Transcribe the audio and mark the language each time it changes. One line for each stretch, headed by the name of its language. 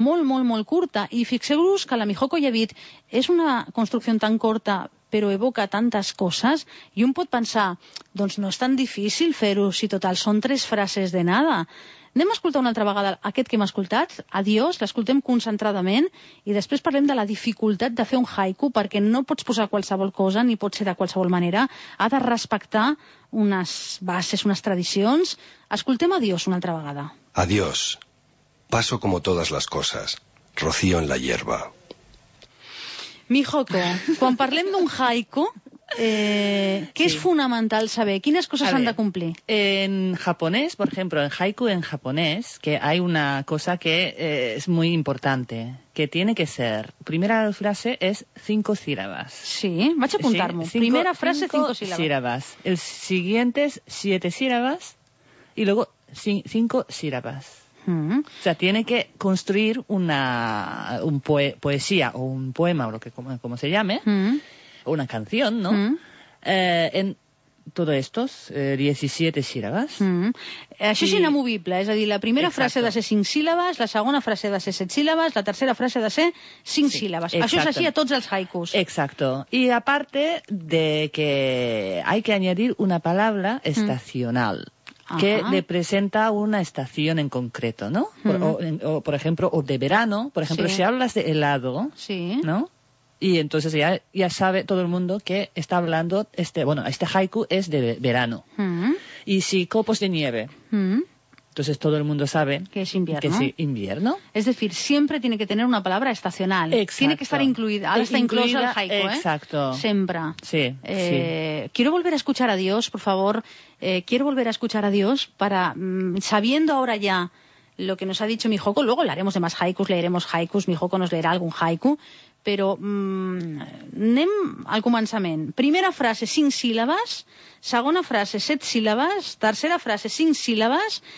Catalan: Molt, molt, molt curta, i fixeu-vos que la Mihoko ja ha dit: és una construcció tan curta, però evoca tantes coses, i un pot pensar, doncs no és tan difícil fer-ho si total són tres frases
Spanish: de nada.
Catalan: Anem a escoltar una altra vegada aquest que hem escoltat, adiós, l'escoltem concentradament, i després parlem de la dificultat de fer un haiku, perquè no pots posar qualsevol cosa, ni pot ser de qualsevol manera, ha de respectar unes bases, unes tradicions. Escoltem adiós una altra vegada.
Spanish: Adiós, paso como todas las cosas, rocío en la hierba. Mihoko,
Catalan: quan parlem d'un haiku,
Spanish: ¿qué sí. es fundamental saber? ¿Quiénes cosas han de cumplir? En japonés, por ejemplo, en haiku en japonés, que hay una cosa que es muy importante, que tiene que ser, primera frase es cinco sílabas.
Catalan: Sí, vaig a apuntar-me. Sí, primera frase,
Spanish: cinco sílabas. El siguiente es siete sílabas y luego cinco sílabas. O sea, tiene que construir una poesía o un poema, o lo que como se llame, una canción, ¿no? En
Catalan: tot aquestes 17 síl·labes. Això és inamovible, és a dir, la primera frase ha de ser 5 síl·labes, la segona frase ha de ser 7 síl·labes, la tercera frase ha de ser 5 síl·labes. Això és així a tots els haikus.
Spanish: Exacto.
Catalan: I a part de
Spanish: que hay que añadir una palabra estacional, que le presenta una estación en concreto, ¿no? Por ejemplo, o de verano, por ejemplo, si hablas de helado, ¿no? Y entonces ya sabe todo el mundo que está hablando, este haiku es de verano. Y si copos de nieve, entonces todo el mundo sabe que es invierno. Es decir, siempre tiene que tener una palabra estacional. Exacto. Tiene que estar incluida, está incluso el haiku, ¿eh? Exacto. Siempre. Sí, quiero volver a escuchar a Dios, por favor. Quiero volver a escuchar a Dios para, sabiendo ahora ya lo que nos ha dicho Mihoko, luego hablaremos de más haikus, leeremos haikus, Mihoko nos leerá algún haiku.
Catalan: Però anem al començament. Primera frase, 5 síl·labes. Segona frase, 7 síl·labes. Tercera frase, 5 síl·labes.